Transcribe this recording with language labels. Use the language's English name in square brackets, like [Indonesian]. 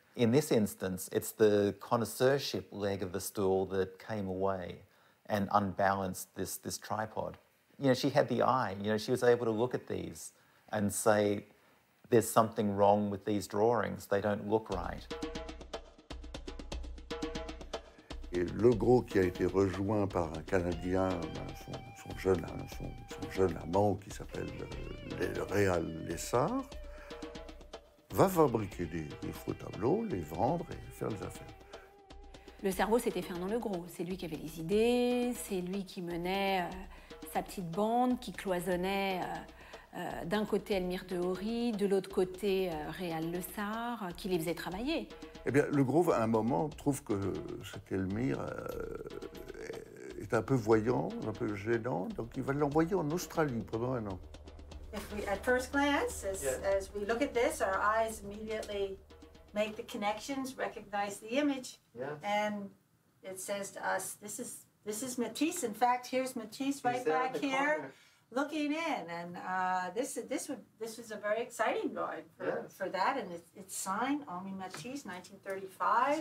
[English] In this instance, it's the connoisseurship leg of the stool that came away and unbalanced this tripod. You know, she had the eye, you know, she was able to look at these and say, there's something wrong with these drawings, they don't look right. [French] Et Le Gros, qui a été rejoint par un Canadien, son jeune amant qui s'appelle le Réal Lessard, va fabriquer des faux tableaux, les vendre et faire les affaires. Le cerveau, c'était Fernand Le Gros. C'est lui qui avait les idées, c'est lui qui menait sa petite bande, qui cloisonnait d'un côté Elmyr de Hory, de l'autre côté Réal Lessard, qui les faisait travailler. Eh bien, Le Gros, à un moment, trouve que cet Elmyr est un peu voyant, un peu gênant, donc il va l'envoyer en Australie pendant un an. [English] If we, at first glance, as, yeah. as we look at this, our eyes immediately make the connections, recognize the image, yeah. and it says to us, this is Matisse. In fact, here's Matisse right back here corner. Looking in, and this was a very exciting drawing for that, and it's signed, Henri Matisse, 1935.